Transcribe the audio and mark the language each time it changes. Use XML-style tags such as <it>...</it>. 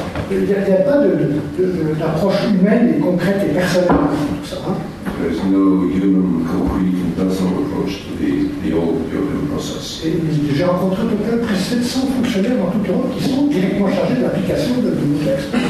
<fr>Il n'y a pas d'approche humaine et concrète et personnelle pour tout ça. Hein?</fr> <en>There is no human, concrete, and personal approach to the old European process.</en> <fr>J'ai rencontré de près 700 fonctionnaires dans toute l'Europe qui sont directement chargés de l'application de nos textes.</fr>